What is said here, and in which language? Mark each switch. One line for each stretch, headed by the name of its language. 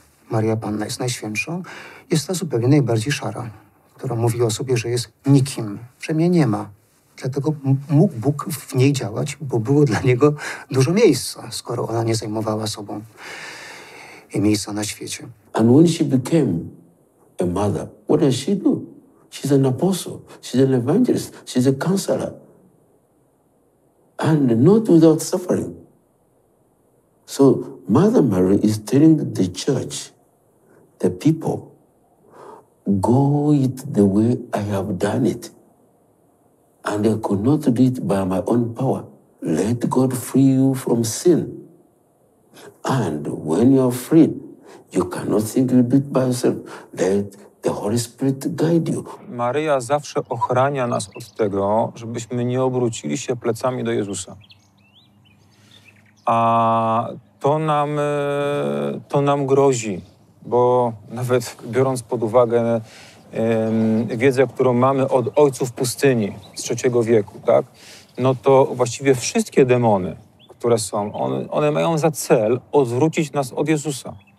Polish: Maria Panna jest najświętszą, jest ta zupełnie najbardziej szara, która mówi o sobie, że jest nikim, że mnie nie ma. Dlatego mógł Bóg w niej działać, bo było dla niego dużo miejsca, skoro ona nie zajmowała sobą i miejsca na świecie.
English: And when she became a mother, what does she do? She's an apostle, she's an evangelist, she's a counselor. And not without suffering. So Mother Mary is telling the church, the people, go it the way I have done it. And I could not do it by my own power. Let God free you from sin. And when you are freed, you cannot think you do it by yourself. Let the Holy Spirit guide you.
Polish: Maryja zawsze ochrania nas od tego, żebyśmy nie obrócili się plecami do Jezusa. To nam grozi, bo nawet biorąc pod uwagę wiedzę, którą mamy od ojców pustyni z III wieku, tak, no to właściwie wszystkie demony, które są, one mają za cel odwrócić nas od Jezusa.